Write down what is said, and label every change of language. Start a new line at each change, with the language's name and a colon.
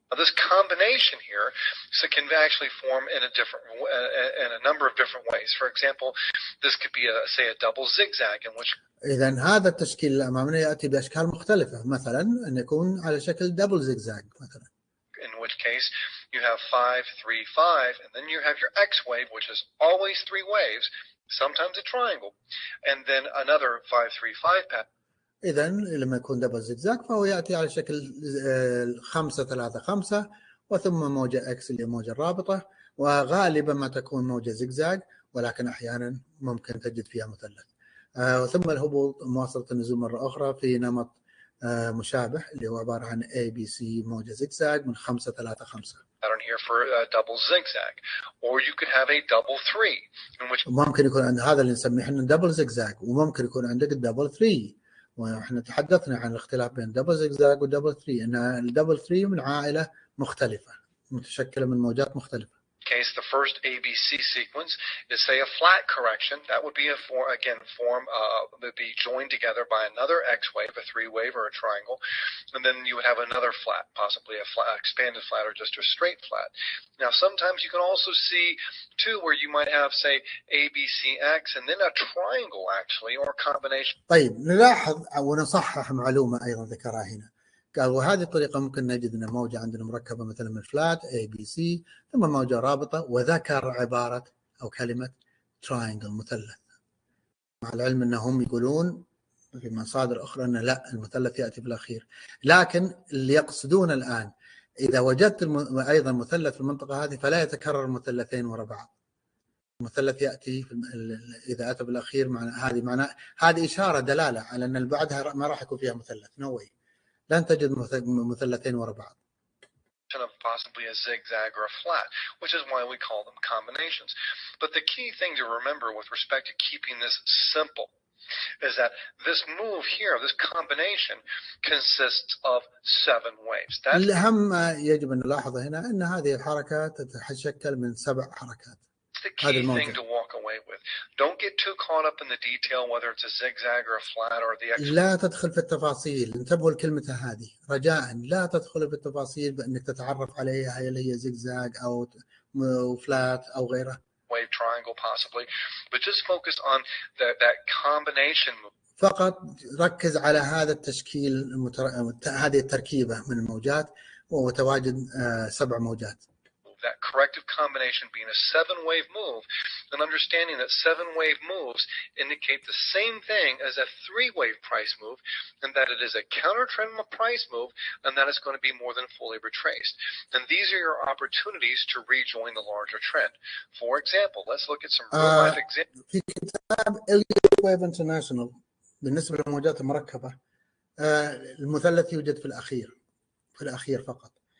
English: Now this combination here so can actually form in a different in a number of different ways. For example, this could be a double zigzag in which.
Arabic: إذن هذا التشكيل الأمامي يأتي بأشكال مختلفة. مثلاً أن يكون على شكل double zigzag. مثلاً.
English: In which case you have 5-3-5, and then you have your X wave, which is always three waves, sometimes a triangle, and then another 5-3-5 pattern.
Arabic: إذن لما يكون دبل زجزاج فهو يأتي على شكل 5-3-5 وثم موجة X اللي موجة الرابطة وغالبا ما تكون موجة زجزاج ولكن أحيانا ممكن تجد فيها مثلث ثم الهبوط مواصلة النزول مرة أخرى في نمط مشابه اللي هو عبارة عن ABC موجة زجزاج من 5-3-5
English: pattern here for a double zigzag, or you could have a double three in which
Arabic: ممكن يكون عند هذا اللي نسميه إحنا double zigzag وممكن يكون عندك double three ونحن تحدثنا عن الاختلاف بين دبل زيجزاج ودبل ثري، إن الدبل ثري من عائلة مختلفة متشكلة من موجات مختلفة.
English: Case the first ABC sequence is say a flat correction that would be a form again form would be joined together by another X wave, a three wave or a triangle, and then you would have another flat, possibly a flat, expanded flat or just a straight flat. Now sometimes you can also see too where you might have say ABCX and then a triangle actually or a combination.
Arabic: طيب نلاحظ ونصحح معلومة أيضا ذكرها هنا. قال وهذه الطريقة ممكن نجد أن موجة عندنا مركبة مثلا من flat ABC ثم موجة رابطة وذكر عبارة أو كلمة triangle مثلث، مع العلم أنهم يقولون في مصادر أخرى أن لا المثلث يأتي بالأخير، لكن اللي يقصدون الآن إذا وجدت أيضا مثلث في المنطقة هذه فلا يتكرر المثلثين وراء بعض، المثلث يأتي إذا أتى بالأخير معنى هذه معنى هذه إشارة دلالة على أن بعدها ما راح يكون فيها مثلث نووي. لن تجد مثلثين وراء بعض.
English: Possibly a zigzag or a flat, which is why we call them combinations. But the key thing to remember with respect to keeping this simple is that this move here, this combination, consists of seven waves.
Arabic: الأهم يجب أن نلاحظ هنا أن هذه الحركة تتشكل من سبع حركات.
English: It's the key thing to walk away with. Don't get too caught up in the detail, whether it's a zigzag or a flat or the X.
Arabic: لا تدخل في التفاصيل. انتبهوا الكلمة هذه. رجاء لا تدخل في التفاصيل بأنك تتعرف عليها هل هي زيجزاج أو فلات أو غيره.
English: Wave triangle possibly, but just focus on that combination.
Arabic: فقط ركز على هذا التشكيل هذه التركيبة من الموجات وتواجد سبع موجات.
English: That corrective combination being a seven-wave move, and understanding that seven-wave moves indicate the same thing as a three-wave price move, and that it is a counter-trend price move, and that it's going to be more than fully retraced. And these are your opportunities to rejoin the larger trend. For example, let's look at some real-life examples.
Arabic: في كتاب Elliott Wave International بالنسبة للموجات المركبة المثلث يوجد في الأخير فقط.